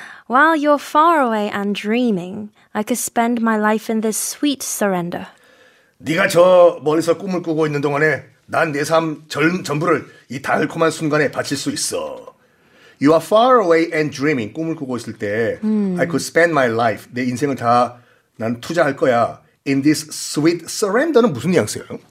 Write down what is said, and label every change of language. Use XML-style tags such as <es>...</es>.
<en>While you're far away and dreaming, I could spend my life in this sweet surrender.</en> <ko>네가 저 멀리서 꿈을 꾸고 있는 동안에 난 내 삶 전부를 이 달콤한 순간에 바칠 수 있어.</ko> <en>You are far away and dreaming.</en> <ko>꿈을 꾸고 있을 때</ko> <en>I could spend my life.</en> <ko>내 인생을 다 난 투자할 거야.</ko> <en>In this sweet surrender는</en> <ko>무슨 뉘앙스예요?</ko>